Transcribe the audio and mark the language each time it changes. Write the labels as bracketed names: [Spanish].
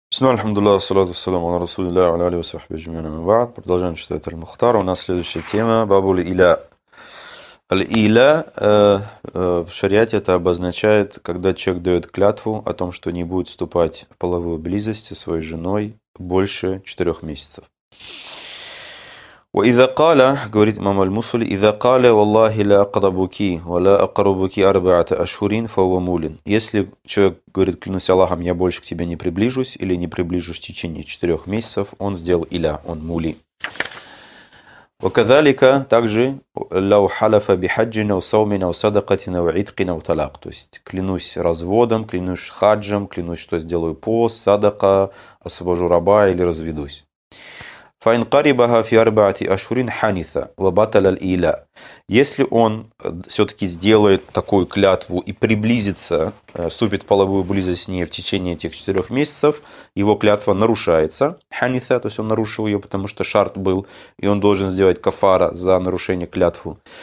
[Russian] Продолжаем читать Аль-Мухтар. У нас следующая тема. Бабу-ли-Иля. Аль-Иля в шариате это обозначает, когда человек дает клятву о том, что не будет вступать в половую близость со своей женой больше 4 месяцев. [Arabic] وإذا قال [Russian] говорит имам аль-Мусли [Arabic] إذا قال والله لا أقربك ولا أقربك أربعة أشهر فهو مولن. [Russian] Если человек говорит, клянусь Аллахом, я больше к тебе не приближусь или не приближусь в течение 4 месяцев, он сделал иля, он мули. [Arabic] وكذلك также لو حلف بحج أو صوم أو صدقة أو عتق أو طلاق. [Russian] То есть клянусь разводом, клянусь хаджем, клянусь, что сделаю пост, садака, освобожу раба или разведусь. [Arabic] فإن قربها في أربعة أشهر حنث وبطل الإيلاء. [Russian] Если он все-таки сделает такую клятву и приблизится, вступит в половую близость с ней в течение этих 4 месяцев, его клятва нарушается. Ханиса, то есть он нарушил ее, потому что шарт был, и он должен сделать кафара за нарушение клятвы.